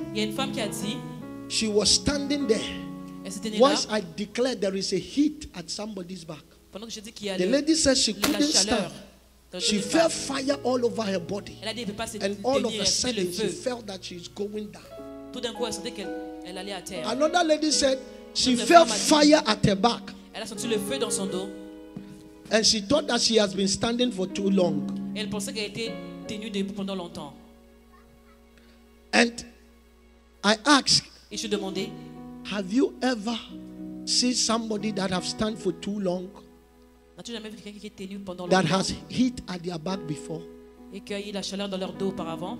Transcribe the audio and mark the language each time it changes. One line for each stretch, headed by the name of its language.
French: Il y a une femme qui a dit.
English: She was standing there. Once I declared there is a heat at somebody's back.
French: Pendant que je dis qu'il y a
English: the lady said she couldn't stand. She felt fire all over her body.
French: Elle a dit, elle peut pas se
English: and all of a sudden she felt that she's going down.
French: Tout d'un coup, elle sentait qu'elle allait à terre.
English: Another lady said she felt fire at her back.
French: Elle a senti le feu dans son dos.
English: And she thought that she has been standing for too long.
French: Et elle pensait qu'elle était tenue debout pendant longtemps.
English: And I asked.
French: Et je demandais.
English: Have you ever seen somebody that have stand for too long?
French: N'as-tu jamais vu quelqu'un qui est tenu pendant longtemps?
English: That has heat at their back before.
French: Et qui a eu la chaleur dans leur dos auparavant?